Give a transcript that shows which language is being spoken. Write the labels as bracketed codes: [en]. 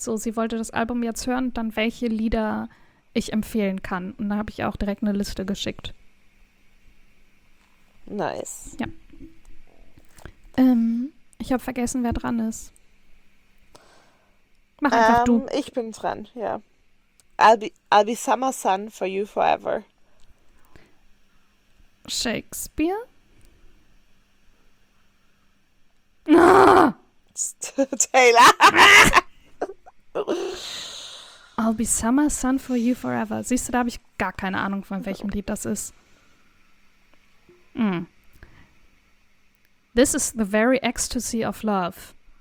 [de] So, sie wollte das Album jetzt hören, dann welche Lieder ich empfehlen kann. Und da habe ich auch direkt eine Liste geschickt. Nice. Ja. Ich habe vergessen, wer dran ist. Mach einfach du. Ich bin dran, ja. [en] I'll be summer sun for you forever. Shakespeare? Taylor! I'll be summer sun for you forever. [de] Siehst du, da habe ich gar keine Ahnung, von welchem Lied das ist. [en] This is the very ecstasy of love.